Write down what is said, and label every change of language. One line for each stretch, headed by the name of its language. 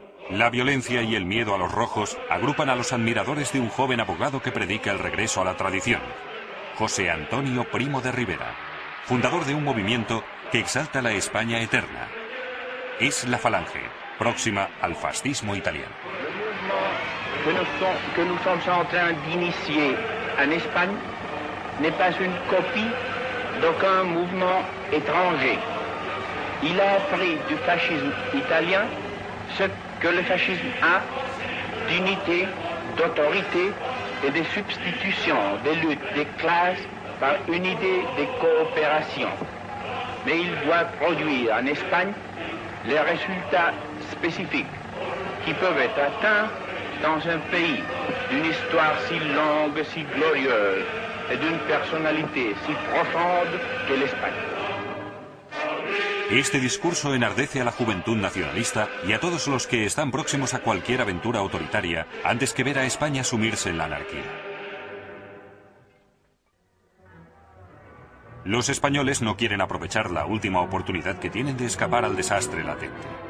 Spanish: La violencia y el miedo a los rojos agrupan a los admiradores de un joven abogado que predica el regreso a la tradición, José Antonio Primo de Rivera, fundador de un movimiento que exalta la España eterna. Es la Falange, próxima al fascismo italiano.
French: Que nous sommes en train d'initier en Espagne n'est pas une copie d'aucun mouvement étranger. Il a appris du fascisme italien ce que le fascisme a d'unité, d'autorité et de substitution des luttes des classes par une idée de coopération. Mais il doit produire en Espagne les résultats spécifiques qui peuvent être atteints dans un pays d'une histoire si longue, si glorieuse et d'une personnalité si profonde que l'Espagne.
Spanish: Este discurso enardece a la juventud nacionalista y a todos los que están próximos a cualquier aventura autoritaria antes que ver a España sumirse en la anarquía. Los españoles no quieren aprovechar la última oportunidad que tienen de escapar al desastre latente.